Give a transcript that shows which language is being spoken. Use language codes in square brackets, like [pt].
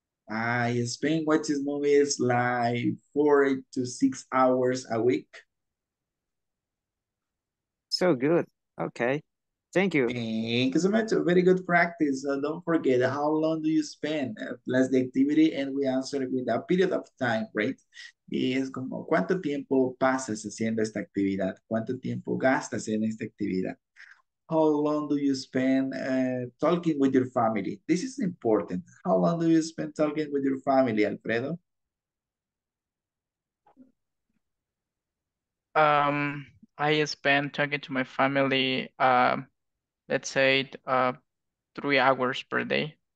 [en] I spend watching movies like 4 to 6 hours a week. So good. Okay. Thank you. Thank you so much. Very good practice. Don't forget, how long do you spend? Plus the activity, and we answer with a period of time, right? [es] Y es como, ¿cuánto tiempo pasas haciendo esta actividad? ¿Cuánto tiempo gastas en esta actividad? [en] How long do you spend talking with your family? This is important. How long do you spend talking with your family, Alfredo? I spend talking to my family, let's say 3 hours per day.